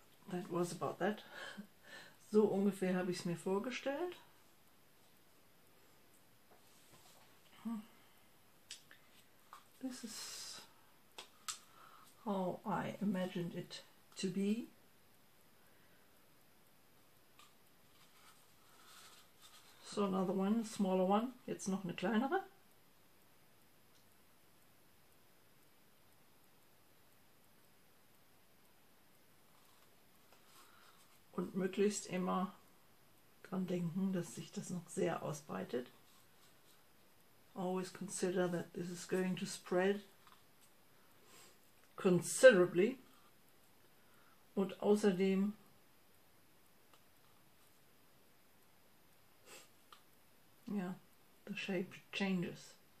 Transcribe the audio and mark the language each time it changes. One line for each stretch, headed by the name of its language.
English: That was about that.
German: So ungefähr habe ich es mir vorgestellt.
English: This is how I imagined it to be. So another one, smaller one,
German: jetzt noch eine kleinere. Und möglichst immer dran denken, dass sich das noch sehr ausbreitet.
English: Always consider that this is going to spread considerably.
German: Und außerdem ja,
English: the shape changes.